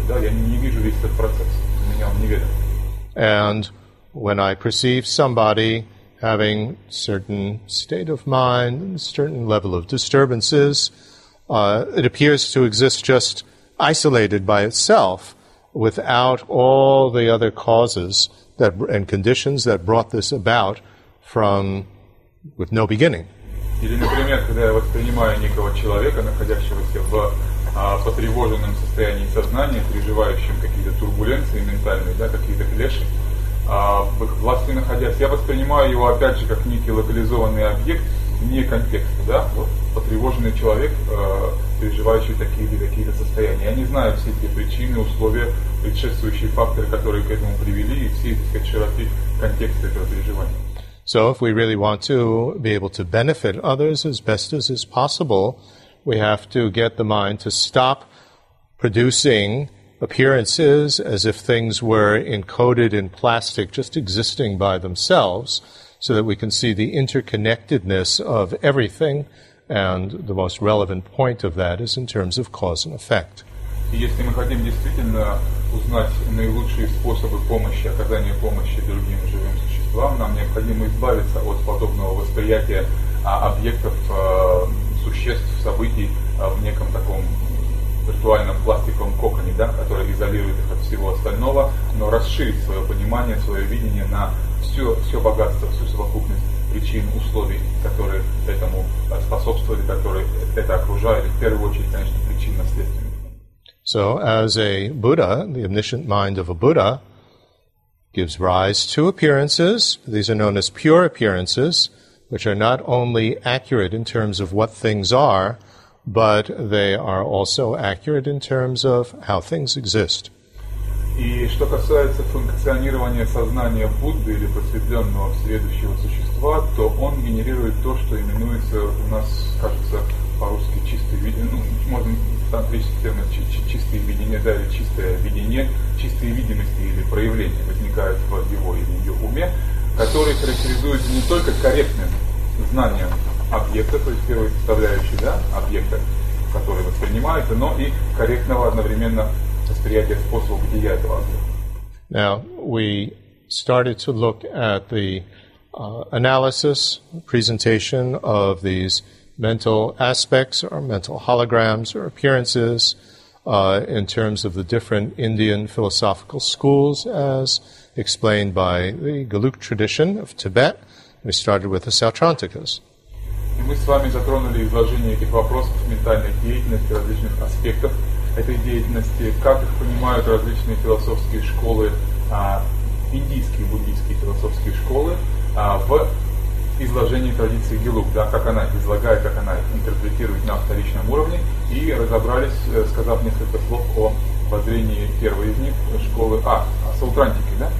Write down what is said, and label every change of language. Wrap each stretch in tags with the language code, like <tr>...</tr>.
<ru>Да, я не вижу весь этот процесс, меня он не ведет.</ru> <en>And when I perceive somebody having certain state of mind, certain level of disturbances, it appears to exist just isolated by itself, without all the other causes that and conditions that brought this about, with no beginning.</en> <ru>Или, например, когда я воспринимаю некого человека, находящегося в потревоженном состоянии сознания, переживающем какие-то турбуленции ментальные, да, какие-то клеши, в их власти находясь, я воспринимаю его опять же как некий локализованный объект. Не контекста, да? Вот потревоженный человек, переживающий такие или какие-то состояния. Я не знаю все эти причины, условия, предшествующие факторы, которые к этому привели, и все, так сказать, широты контекста этого переживания.</ru> <en>So if we really want to be able to benefit others as best as is possible, we have to get the mind to stop producing appearances as if things were encoded in plastic, just existing by themselves, so that we can see the interconnectedness of everything, and the most relevant point of that is in terms of cause and effect.</en> <ru>Если мы хотим действительно узнать наилучшие способы помощи, оказания помощи другим живым существам, нам необходимо избавиться от подобного восприятия объектов, существ, событий в неком таком виртуальном пластиковом коконе, да, который изолирует их от всего остального, но расширить свое понимание, свое видение на все богатство, всю совокупность причин, условий, которые этому способствовали, которые это окружают, в первую очередь, конечно, причинно-следственные.</ru> <en>So, as a Buddha, the omniscient mind of a Buddha gives rise to appearances, these are known as pure appearances, which are not only accurate in terms of what things are, but they are also accurate in terms of how things exist.</en> <ru>И что касается функционирования сознания Будды или просветленного следующего существа, то он генерирует то, что именуется у нас, кажется, по-русски чистое видение, ну, можно тантрический термин чистое видение, да, или чистое видение, чистые видимости или проявления возникают в его или ее уме, которые характеризуются не только корректным знанием объекта, то есть первой составляющей, да, объекта, который воспринимается, но и корректного одновременно восприятия способа бытия этого объекта.</ru> <en>Now, we started to look at the analysis, presentation of these mental aspects or mental holograms or appearances in terms of the different Indian philosophical schools as explained by the Gelug tradition of Tibet. We started with the Sautrantikas.</en> <ru>И мы с вами затронули изложение этих вопросов ментальной деятельности, различных аспектов этой деятельности, как их понимают различные философские школы, индийские буддийские философские школы в изложении традиции Гелуг, да, как она излагает, как она интерпретирует на вторичном уровне, и разобрались, сказав несколько слов о воззрении первой из них, школы А, о Саутрантике, да?</ru>